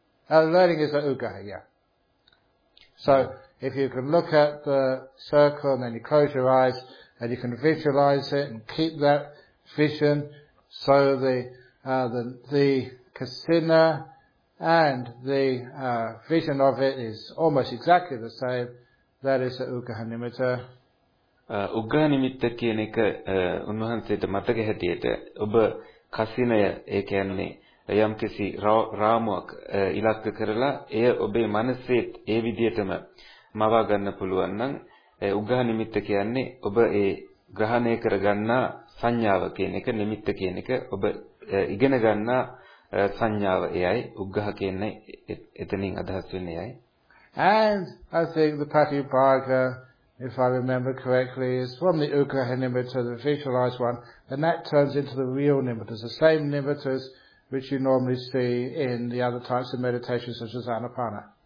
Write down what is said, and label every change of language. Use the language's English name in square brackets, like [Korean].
[English] Learning is the Ugaha, yeah. So if you can look at the circle and then you close your eyes and you can visualize it and keep that vision, so the kasina and the vision of it is almost exactly the same, that is the Ugaha nimitta. [Sinhala] උග්‍රහ නිමිත්ත කියන එක උන්වහන්සේට මතක හැටියට ඔබ කසිනය ඒ කියන්නේ යම්කිසි රාමුවක් ඉලක්ක කරලා එය ඔබේ මනසේ ඒ විදිහටම මවා ගන්න පුළුවන් නම් උග්‍රහ නිමිත්ත කියන්නේ ඔබ ඒ ග්‍රහණය කර ගන්නා සංඥාව කියන එක නිමිත්ත කියන එක ඔබ ඉගෙන ගන්නා සංඥාව එයයි උග්‍රහ කියන්නේ එතනින් අදහස් වෙන්නේ එයයි [English] and I think the Patibhaga if I remember correctly, is from the ugraha nimitta, the visualized one, and that turns into the real nimittas, the same nimittas which you normally see in the other types of meditation, such as anapana.